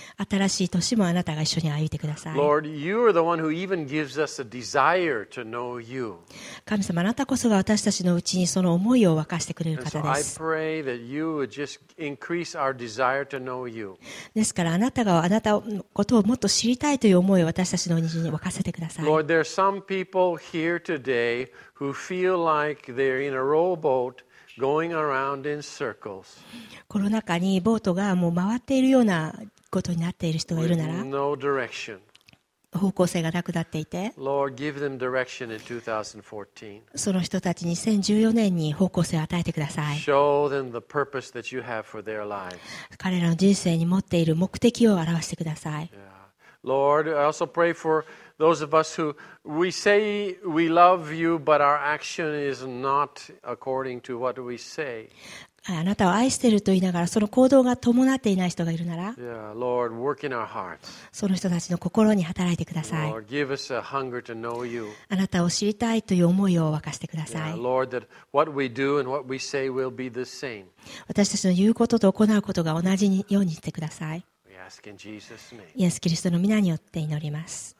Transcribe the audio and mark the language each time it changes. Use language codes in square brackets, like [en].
[ja] 新しい年もあなたが一緒に歩いてください。 [en] Lord, you are the one who even gives us a desire to know you. [ja] 神様、あなたこそが私たちのうちにその思いを沸かしてくれる方です。 [en] And so I pray that you would just increase our desire to know you. [ja] ですからあなたがあなたのことをもっと知りたいという思いを私たちの人に沸かせてください。 [en] Lord, there are some people here today who feel like they're in a rowboat going around in circles. [ja] コロナ禍にボートがもう回っているようなことになっている人がいるなら、 [en] with no direction. [ja] 方向性がなくなっていて、 [en] Lord, give them direction in 2014. [ja] その人たちに2014年に方向性を与えてください。 [en] Show them the purpose that you have for their lives. [ja] 彼らの人生に持っている目的を表してください。 [en] Lord, I also pray for those of us who we say we love you, but our action is not according to what we say. [ja] あなたを愛していると言いながらその行動が伴っていない人がいるなら、 [en] Lord, work in our hearts. [ja] その人たちの心に働いてください。 [en] Lord, give us a hunger to know you. [ja] あなたを知りたいという思いを沸かしてください。 [en] Lord, that what we do and what we say will be the same. [ja] 私たちの言うことと行うことが同じようにしてください。 [en] ask in Jesus' name. [ja] イエス・キリストの皆によって祈ります。